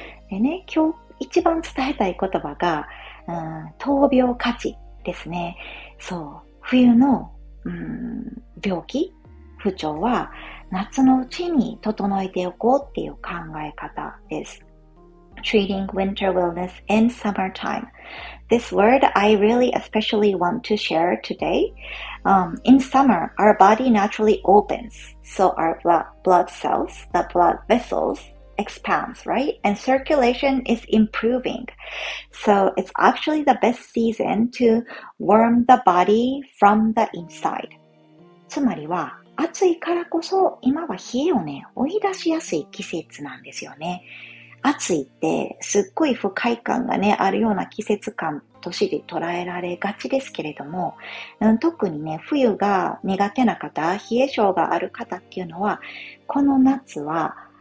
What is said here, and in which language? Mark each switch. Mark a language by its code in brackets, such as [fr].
[ja] でね、今日一番伝えたい言葉が、闘病価値ですね。そう、冬の、病気、不調は夏のうちに整えておこうっていう考え方です。 [en] Treating winter illness in summertime. This word I really especially want to share today. In summer, our body naturally opens. So our blood cells, the blood vessels expands, right? And circulation is improving. So it's actually the best season to warm the body from the inside. [ja] つまりは暑いからこそ今は冷えをね、追い出しやすい季節なんですよね。暑いってすっごい不快感がね、あるような季節感として捉えられがちですけれども、特にね、冬が苦手な方、冷え性がある方っていうのは、この夏は、